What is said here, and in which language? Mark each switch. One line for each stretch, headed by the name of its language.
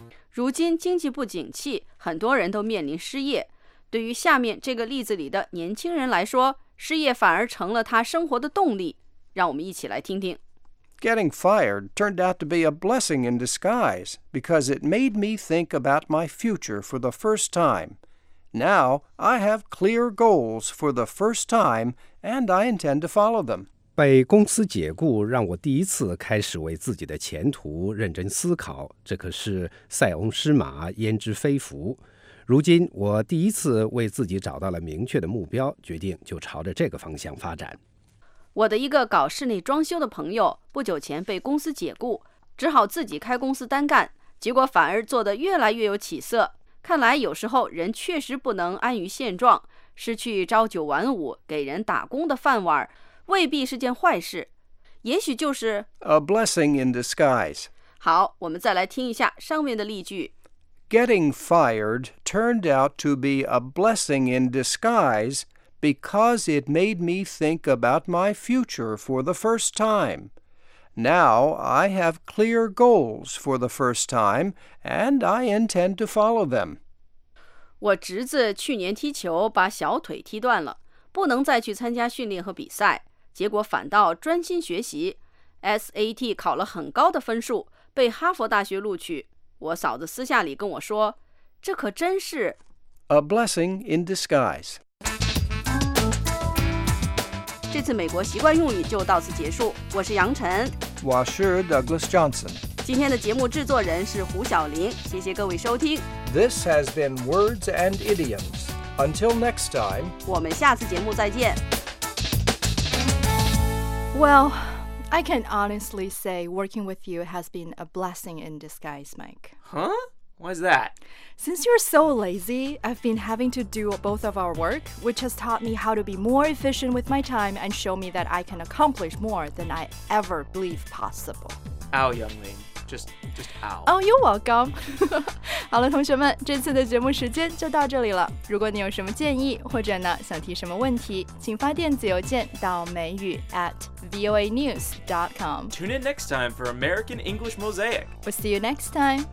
Chinese: 如今经济不景气，很多人都面临失业。对于下面这个例子里的年轻人来说，失业反而成了他生活的动力。让我们一起来听听。
English: Getting fired turned out to be a blessing in disguise because it made me think about my future for the first time. Now, I have clear goals for the first time and I intend to follow them.
Chinese: 被公司解雇让我第一次开始为自己的前途认真思考，这可是塞翁失马焉知非福。如今我第一次为自己找到了明确的目标，决定就朝着这个方向发展。我的一个搞室内装修的朋友不久前被公司解雇，只好自己开公司单干，结果反而做得越来越有起色。看来有时候人确实不能安于现状，失去朝九晚五给人打工的饭碗未必是件坏事，也许就是
English: A blessing in disguise。
Chinese: 好，我们再来听一下上面的例句。
English: Getting fired turned out to be a blessing in disguise because it made me think about my future for the first time. Now I have clear goals for the first time and I intend to follow them.
Chinese: 我侄子去年踢球把小腿踢断了，不能再去参加训练和比赛，结果反倒专心学习， SAT 考了很高的分数，被哈佛大学录取。我嫂子私下里跟我说，这可真是
English: A blessing in disguise。
Chinese: 这次美国习惯用语就到此结束，我是杨晨，我是 Douglas Johnson。今天的节目制作人是胡晓玲，谢谢各位收听。
English: This has been Words and Idioms. Until next time，
Chinese: 我们下次节目再见。
English: Well，I can honestly say working with you has been a blessing in disguise, Mike. Huh? Why is that? Since you're so lazy, I've been having to do both of our work, which has taught me how to be more efficient with my time and show me that I can accomplish more than I ever believed possible. Ow, youngling. Just ow. Oh, you're welcome.
Chinese: 好了，同学们，这次的节目时间就到这里了。如果你有什么建议，或者呢想提什么问题，请发电子邮件到美语 @voanews.com.
English: Tune in next time for American English Mosaic. We'll see you next time.